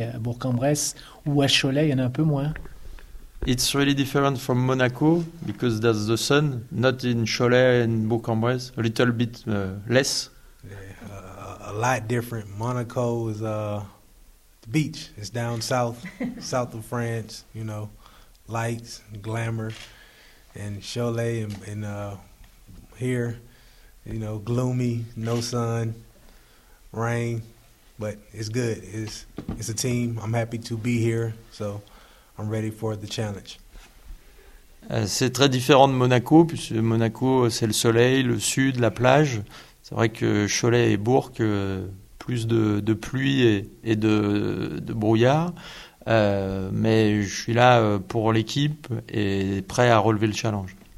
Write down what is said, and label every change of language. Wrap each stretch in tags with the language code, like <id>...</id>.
<fr>À Bourg-en-Bresse ou à Cholet, il y en a un peu moins.</fr> <en>It's really different from Monaco because there's the sun, not in Cholet and Bourg-en-Bresse. A little bit less. Yeah, a lot different. Monaco is the beach. It's down south, south of France. You know, lights, glamour, and Cholet and here. You know, gloomy, no sun, rain, but it's good. It's a team. I'm happy to be here, so I'm ready for the challenge.</en> <fr>C'est très différent de Monaco, puisque Monaco, c'est le soleil, le sud, la plage. C'est vrai que Cholet et Bourg, plus de pluie et de brouillard. Mais je suis là pour l'équipe et prêt à relever le challenge.</fr>